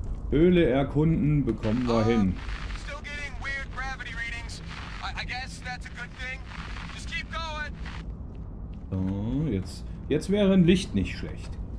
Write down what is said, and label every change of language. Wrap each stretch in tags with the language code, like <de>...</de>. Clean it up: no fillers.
<de>Höhle erkunden, bekommen wir hin.</de> <en>Still getting weird gravity readings. I guess that's a good thing. Just keep going.</en> <de>So, jetzt wäre ein Licht nicht schlecht.</de>